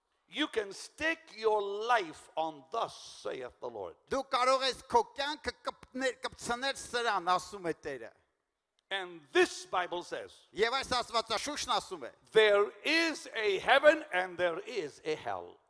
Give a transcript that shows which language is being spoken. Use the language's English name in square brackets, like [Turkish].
[English] You can stake your life on thus, saith the Lord. [Armenian] Դու կարող ես քո կյանքը կպնել, կպցնել սրան, ասում է Տերը. [English] And this Bible says. [Armenian] Եվ այս Աստվածաշունչն ասում է. [English] There is a heaven and there is a hell.